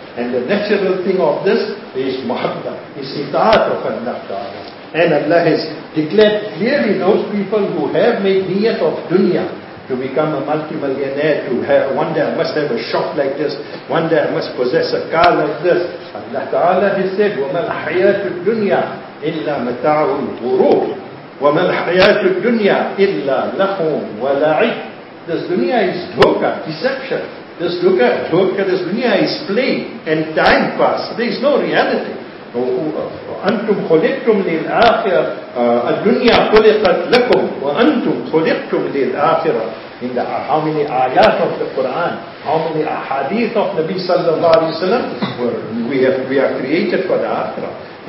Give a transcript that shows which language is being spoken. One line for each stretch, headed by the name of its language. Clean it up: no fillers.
English: And the natural thing of this is muhabba, is ita'at of Allah Ta'ala. And Allah has declared clearly those people who have made niyat of dunya to become a multimillionaire, to have one day I must have a shop like this, one day I must possess a car like this. Allah Ta'ala has said,
Arabic: وَمَا الْحَيَاةُ الدُّنْيَا إِلَّا مَتَاعُ الْغُرُورِ وَمَا الْحَيَاةُ الدُّنْيَا إِلَّا لَخُمْ وَلَعِبْ.
English: This dunya is dhoka, deception. This dhoka, this dunya is play and time pass. There is no reality.
Arabic: أَنْتُمْ خُلِقْتُمْ لِلْآخِرَةِ الدُّنْيَا خُلِقَتْ لَكُمْ وَأَنْتُمْ خُلِقْتُمْ لِلْآخِرَةِ.
English: How many ayat of the Quran, how many ahadith of Nabi sallallahu alayhi wa sallam, we are created for the akhirah.